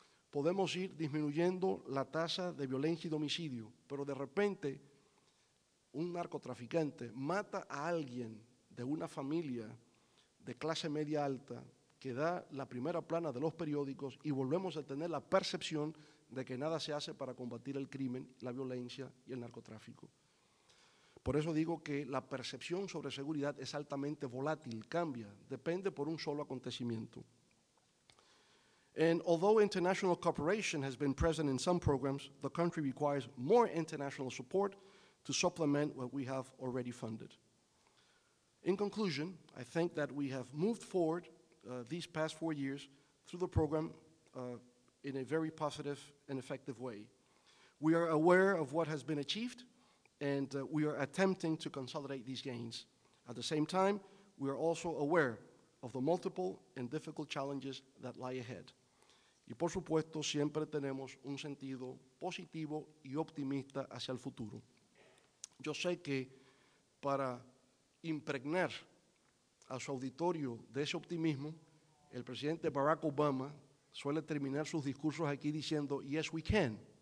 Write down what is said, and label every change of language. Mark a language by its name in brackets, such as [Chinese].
[Spanish] Podemos ir disminuyendo la tasa de violencia y homicidio, pero de repente, un narcotraficante mata a alguien de una familia de clase media alta que da la primera plana de los periódicos y volvemos a tener la percepción de que nada se hace para combatir el crimen, la violencia y el narcotráfico. Por eso digo que la percepción sobre seguridad es altamente volátil, cambia, depende por un solo acontecimiento. [English] And although international cooperation has been present in some programs, the country requires more international support to supplement what we have already funded. In conclusion, I think that we have moved forward these past 4 years through the program in a very positive and effective way. We are aware of what has been achieved, and we are attempting to consolidate these gains. At the same time, we are also aware of the multiple and difficult challenges that lie ahead. [Spanish] Y por supuesto, siempre tenemos un sentido positivo y optimista hacia el futuro. Yo sé que para impregnar a su auditorio de ese optimismo, el presidente Barack Obama suele terminar sus discursos aquí diciendo, [English] yes, we can.